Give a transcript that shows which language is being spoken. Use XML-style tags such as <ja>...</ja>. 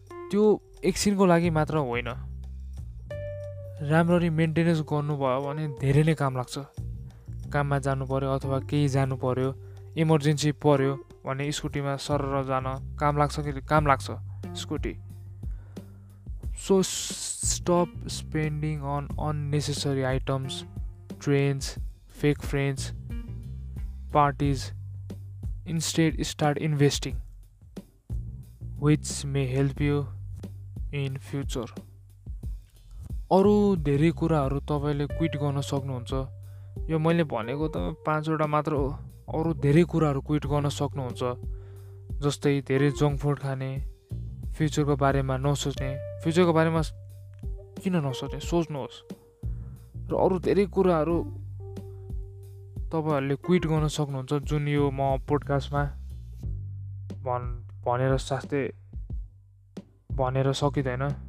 <ne>त्यो एकछिनको लागि मात्र होइन, राम्ररी मेन्टेनेन्स गर्नुभयो भने धेरै नै काम लाग्छ। काममा जानु पऱ्यो अथवा केही जानु पऱ्यो, इमर्जेन्सी पऱ्यो भने स्कुटीमा सरर जान काम लाग्छ कि काम लाग्छ scooty. So</ne> <en>Stop spending on unnecessary items, trains, fake friends, parties. Instead, start investing, which may help you in future.</en> <ne>अरु धेरै कुराहरु तपाईले क्विट गर्न सक्नुहुन्छ यो मैले भनेको त पाँचवटा मात्र हो अरु धेरै कुराहरु क्विट गर्न सक्नुहुन्छ जस्तै धेरै जंक फूड खाने फ्युचरको बारेमा नसोच्ने फ्युचरको बारेमा किन नसोच्ने सोच्नुहोस् र अरु धेरै कुराहरु तपाईहरुले क्विट गर्न सक्नुहुन्छ जुन यो म पोडकास्टमा भनेर साथै भनेर सकिदैन</ne>